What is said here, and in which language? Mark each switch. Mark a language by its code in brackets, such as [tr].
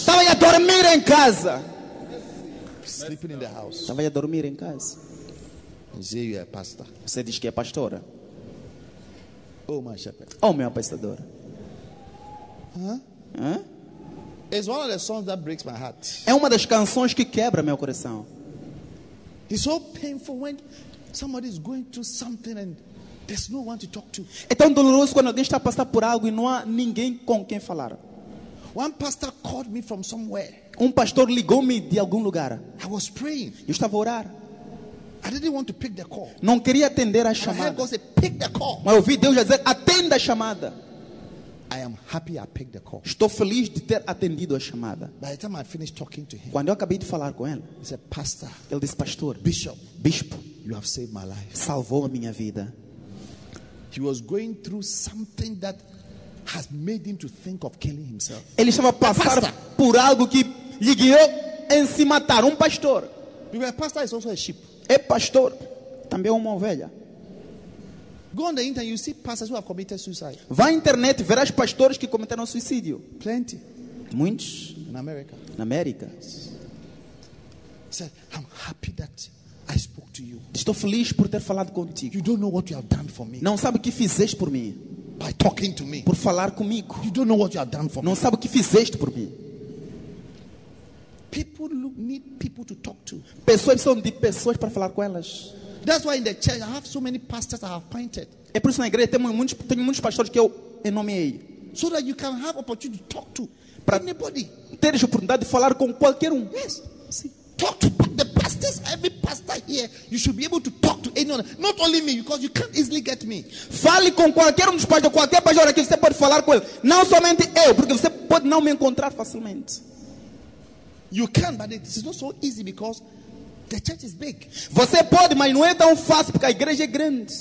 [pt] Estava a dormir em casa. [en] Sleeping in the house. [pt] Estava a dormir em casa. [en] You say you are a pastor. [pt] Você diz que é pastora. [en] Oh, my shepherd. [pt] Oh, meu apacentador. [en] Huh? It's one of the songs that breaks my heart. [pt] É uma das canções que quebra meu coração. [en] It's so painful when somebody is going through something and there's no one to talk to. [pt] É tão doloroso quando alguém está a passar por algo e não há ninguém com quem falar. [en] One pastor called me from somewhere. [pt] Pastor ligou-me de algum lugar. [en] I was praying. [pt] Eu estava a orar. [en] I didn't want to pick the call. [pt] Não queria atender a chamada. [en] I heard God say, pick the call. [pt] Mas ouvi Deus dizer, atenda a chamada. [en] I am happy I picked the call. [pt] Estou feliz de ter atendido a chamada. [en] By the time I finished talking to him, [pt] quando eu acabei de falar com ele, [en] he said, pastor, [pt] ele disse, pastor, [en] bishop, [pt] bispo, [en] you have saved my life. [pt] Salvou a minha vida. [en] He was going through something that has made him to think of killing himself. [pt] Ele estava a passar por algo que lhe guiou em se matar. [en] Pastor. Because a pastor is also a sheep. [pt] É pastor, também é uma ovelha. [en] Go on the internet, you see pastors who have committed suicide. [pt] Vá à internet, verás pastores que cometeram suicídio. [en] Plenty. [pt] Muitos. [en] In America. [pt] Na América. [en] Said, I'm happy that I spoke to you. [pt] Estou feliz por ter falado contigo. [en] You don't know what you have done for me. [pt] Não sabe o que fizeste por mim. [en] By talking to me. [pt] Por falar comigo. [en] You don't know what you have done for [pt] me. Não sabe o que fizeste por mim. [en] People need people to talk to. [pt] Pessoas precisam de pessoas para falar com elas. [en] That's why in the church I have so many pastors I have appointed. [pt] É por isso na igreja tenho muitos pastores que eu nomeei. [en] So that you can have opportunity to talk to [pt] pra [en] anybody. [pt] Ter a oportunidade de falar com qualquer um. [en] Yes. See. Talk to the pastors. Every pastor here, you should be able to talk to anyone. Not only me, because you can't easily get me. [pt] Fale com qualquer um dos pastores, qualquer pastor aqui, você pode falar com ele. Não somente eu, porque você pode não me encontrar facilmente. [en] You can, but it is not so easy because the church is big. [pt] Você pode, mas não é tão fácil porque a igreja é grande.